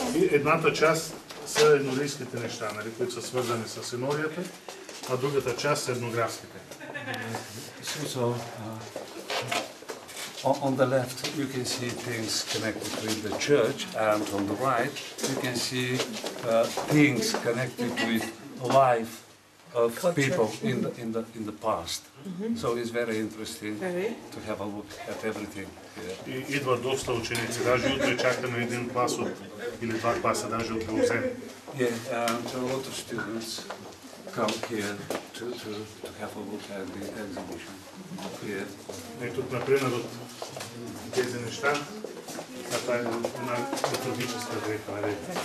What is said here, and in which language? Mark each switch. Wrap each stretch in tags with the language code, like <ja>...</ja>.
<bg>Едната част са еднолийските неща, нали, които са свързани с енорията, а другата част са етнографските.</bg> <en>On the left you can see things connected with the church, and on the right you can see things connected with life of culture. People in the past. Mm-hmm. So it's very interesting to have a look at everything.</en> <bg>Идва доста ученици, даже утре чакаме един клас от или два класа, даже от Русе.</bg> <en>Yeah, a lot of students come here to have a look at the exhibition. Yeah.</en> <bg>И тук, например, от тези неща, това е една литургическа дрека, нали?</bg>